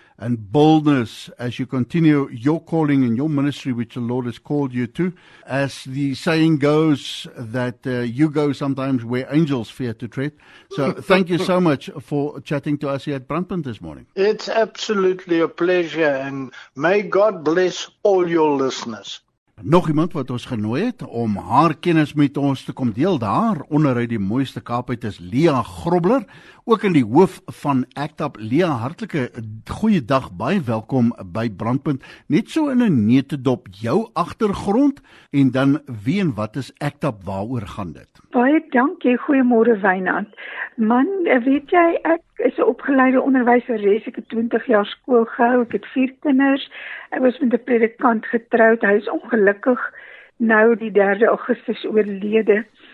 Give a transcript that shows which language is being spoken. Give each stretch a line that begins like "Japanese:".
English: and boldness as you continue your calling and your ministry, which the Lord has called you to. As the saying goes, that you go sometimes where angels fear to tread. So thank you so much for chatting to us here at Brandpunt this morning. It's absolutely a pleasure, and may God bless all your listeners.
Afrikaans: Nog iemand wat ons genooi het om haar kennis met ons te kom deel daar onder uit die mooiste Kaapuit is Leah Grobler, ook in die hoof van ACT UP. Leah, hartelike goeie dag, baie welkom by Brandpunt. Net so in 'n netedop jou agtergrond en dan wie en wat is ACT UP, waaroor gaan dit? Baie dankie, goeiemôre Wynand. Man, weet jy, ek is 'n opgeleide onderwyseres, ek het 20 jaar skool gehou, ek het 4 kinders, ek was met 'n predikant getroud, hy is ongelukkig nou die 3 Augustus oorlede.